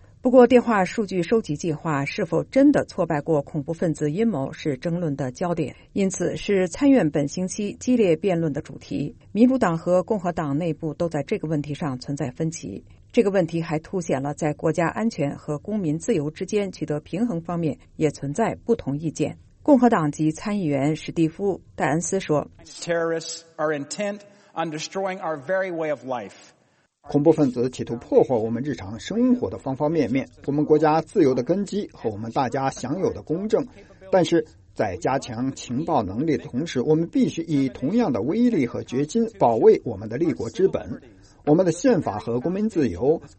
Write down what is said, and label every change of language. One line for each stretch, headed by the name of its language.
Chinese: 不过电话数据收集计划是否真的挫败过恐怖分子阴谋是争论的焦点，因此是参院本星期激烈辩论的主题。民主党和共和党内部都在这个问题上存在分歧。这个问题还凸显了在国家安全和公民自由之间取得平衡方面也存在不同意见。共和党籍参议员史蒂夫·戴恩斯说，
English: Terrorists are intent on destroying our very way of life.
Chinese: 恐怖分子企图破坏我们日常生活的方方面面，我们国家自由的根基和我们大家享有的公正。但是在加强情报能力的同时，我们必须以同样的威力和决心保卫我们的立国之本，我们的宪法和公民自由。